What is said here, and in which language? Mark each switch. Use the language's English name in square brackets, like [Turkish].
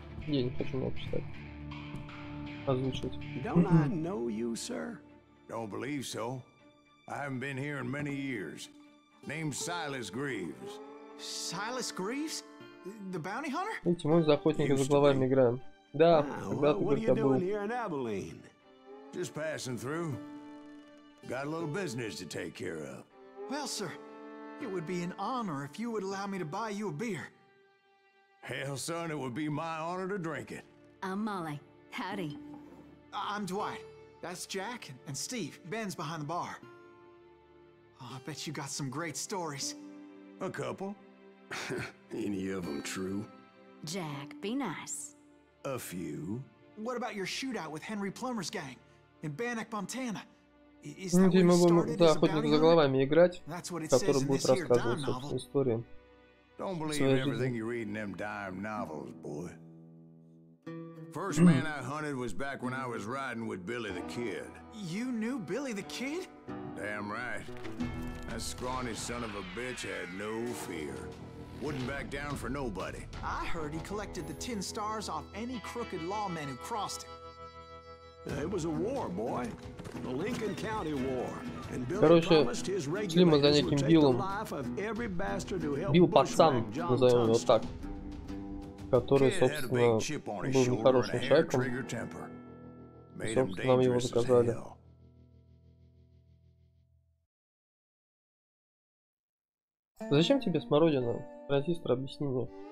[Russian] Я не хочу много читать. Озвучивать. [English] Don't I know you, sir? Don't believe so. I haven't been here in many years. Name Silas Greaves. Silas Greaves? The bounty hunter? [Russian] Видите, мы за охотника за головами играем. Да, когда-то только был. [English] What are you doing here in Just passing through. Got a little business to take care of. Well, sir, it would be an honor if you would allow me to buy you a beer. Hell, son, it would be my honor to drink it. I'm Molly. Howdy. I'm Dwight. That's Jack and Steve. Ben's behind the bar. Oh, I bet you got some great stories. A couple. Any of them true? Jack, be nice. A few. What about your shootout with Henry Plummer's gang in Bannock, Montana? [Russian] Ну, где мы будем, да, охотник за головами играть, который будет рассказывать, собственно, истории. [English] Don't believe everything you read in them dime novels, boy. First man I hunted was back when I was riding with Billy the Kid. You knew Billy the Kid? Damn right. That scrawny son of a bitch had no fear. Wouldn't back down for nobody. I heard he collected the tin stars off any crooked lawman who crossed him. It was a war, boy. The Lincoln County War. And Billy [Russian] Короче, [English] promised his regiments would take Биллом. The life of every bastard who helped Bushwhack John Tunstall. [Russian] Который, собственно, был нехорошим человеком. И, собственно, нам его заказали. Зачем тебе смородина? Транзистор, объясни мне.